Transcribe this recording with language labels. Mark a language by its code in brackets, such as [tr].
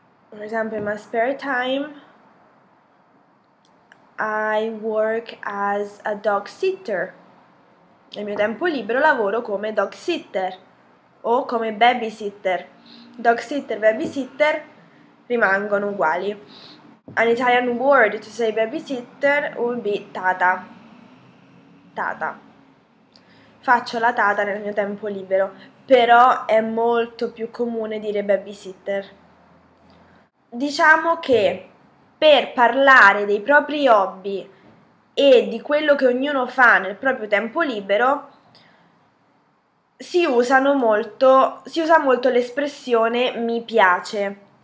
[en] For example, in my spare time, I work as a dog sitter. [it] Nel mio tempo libero lavoro come dog sitter o come babysitter. Dog sitter, babysitter rimangono uguali. [en] An Italian word to say babysitter would be tata. [it] Tata. Faccio la tata nel mio tempo libero, però è molto più comune dire babysitter. Diciamo che per parlare dei propri hobby e di quello che ognuno fa nel proprio tempo libero, si usa molto l'espressione mi piace.